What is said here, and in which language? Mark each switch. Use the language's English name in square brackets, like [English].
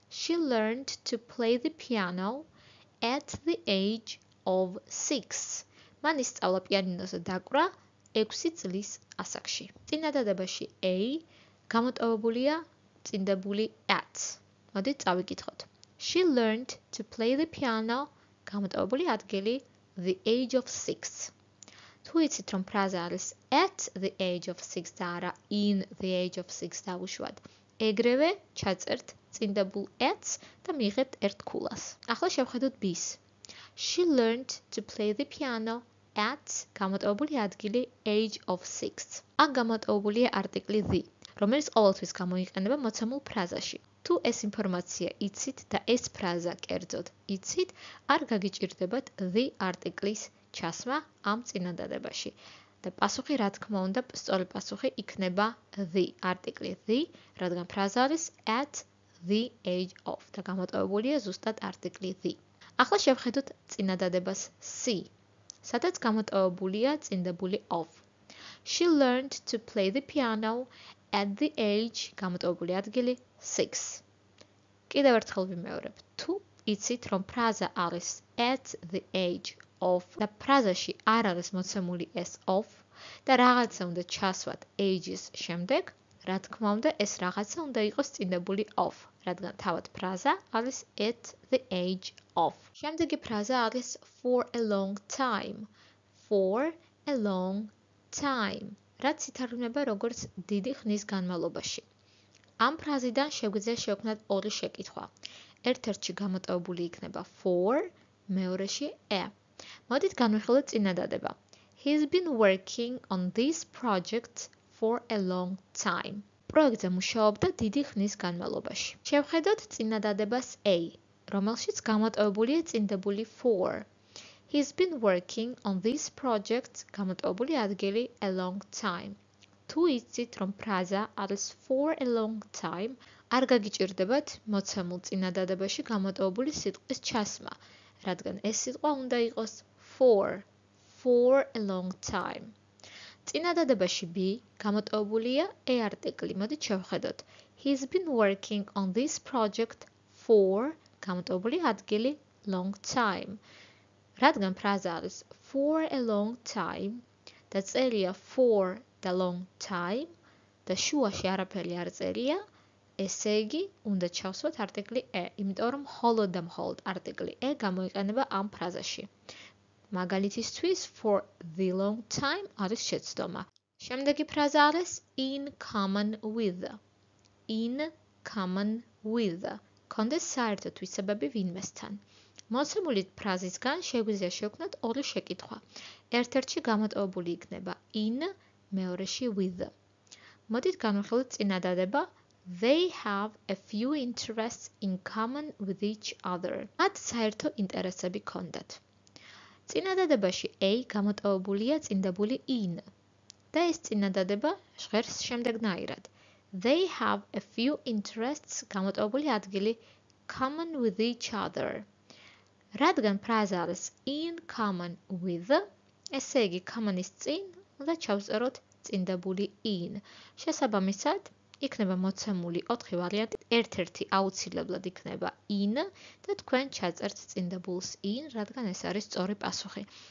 [English] She learned to play the piano at the age of 6. [Georgian] მან ისწავლა პიანინოზე დაკვრა 6 წლის ასაკში. წინადადებაში a გამოტოვებულია წინდებული at. მოდით წავიკითხოთ. [English] She learned to play the piano, [Georgian] გამოტოვებული ადგილი, [English] the age of 6. [Georgian] თუ იცით, რომ ფრაზა არის [English] at the age of 6 [Georgian] და არა [English] in the age of 6 [Georgian] დაუშვათ, ეგრევე ჩაწერთ წინდებულ at-ს და მიიღებთ ერთ ქულას. ახლა შევხედოთ b-ს. [English] She learned to play the piano at, [Georgian] გამოტოვებული ადგილი, [English] age of 6. [Georgian] აქ გამოტოვებულია article the, რომელიც ყოველთვის გამოიყენება მოცემულ ფრაზაში. თუ ეს ინფორმაცია იცით და ეს ფრაზა კერძოდ იცით, არ გაგიჭირდებათ the article-ის ჩასმა ამ წინადადებაში. და პასუხი, რა თქმა უნდა, სწორი პასუხი იქნება the, article the, რადგან ფრაზა არის [English] at the age of [Georgian] და გამოტოვებულია ზუსტად article the. ახლა შევხედოთ წინადადებას C, სადაც გამოტოვებულია წინდებული of. [English] She learned to play the piano at the age, [Georgian] გამოტოვებული ადგილი, [English] 6. [Georgian] კიდევ ერთხელ ვიმეორებ, თუ იცით, რომ ფრაზა არის [English] at the age of [Georgian] და ფრაზაში არ არის მოცემული ეს of და რაღაცა უნდა ჩასვათ age-ის შემდეგ, რა თქმა უნდა, ეს რაღაცა უნდა იყოს წინდებული of, რადგან თავად ფრაზა არის at the age of. შემდეგი ფრაზა არის [English] for a long time. For a long time. [Georgian] რაც ითარგმნება როგორც დიდი ხნის განმავლობაში. ამ ფრაზიდან შეგვიძლია შევქმნათ ორი შეკითხვა. ერთ-ერთში გამოტოვებული იქნება for, მეორეში a. მოდით განვიხილოთ წინადადება. [English] He's been working on this project for a long time. [Georgian] პროექტზე მუშაობდა დიდი ხნის განმავლობაში. შევხედოთ წინადადებას a, რომელშიც გამოტოვებულია წინდებული for. [English] He's been working on this project, [Georgian] გამოტოვებული ადგილი, [English] a long time. [Georgian] თუ იცით, რომ ფრაზა არის [English] for a long time, [Georgian] არ გაგიჭირდებათ მოცემულ წინადადებაში გამოტოვებული სიტყვის ჩასმა, რადგან ეს სიტყვა უნდა იყოს [English] for, for a long time. [Georgian] წინადადებაში b გამოტოვებულია a article, მოდით შევხედოთ. [English] He's been working on this project for, [Georgian] გამოტოვებული ადგილი, [English] long time. [Georgian] რადგან ფრაზა არის [English] for a long time [Georgian] და წერია [English] for the long time [Georgian] და შუაში არაფერი არ წერია, ესე იგი უნდა ჩავსვათ article e, იმიტომ რომ მხოლოდ და მხოლოდ article e გამოიყენება ამ ფრაზაში. მაგალითისთვის for the long time არის შეცდომა. შემდეგი ფრაზა არის [English] in common with. In common with. [Georgian] Კონდეს საერთო თვისებები ვინმესთან. მოცემული ფრაზისგან შეგვიძლია შევქნათ ორი შეკითხვა. ერთ-ერთში გამოტოვებული იქნება in, მეორეში with. მოდით განვიხილოთ წინადადება. [English] They have a few interests in common with each other. [Georgian] მათ საერთო ინტერესები ჰქონდათ. წინადადებაში A გამოტოვებულია წინდებული in. და ეს წინადადება ჟღერს შემდეგნაირად. [English] They have a few interests, [Georgian] გამოტოვებული ადგილი, [English] common with each other. [Georgian] რადგან ფრაზა არის [English] in common with, [Georgian] ესე იგი common-ის წინ, უნდა ჩავწეროთ წინდებული in. შესაბამისად, იქნება მოცემული ოთხი ვარიანტი, ერთ-ერთი აუცილებლად იქნება in და თქვენ ჩაწერთ წინდებულს in, რადგან ეს არის სწორი პასუხი.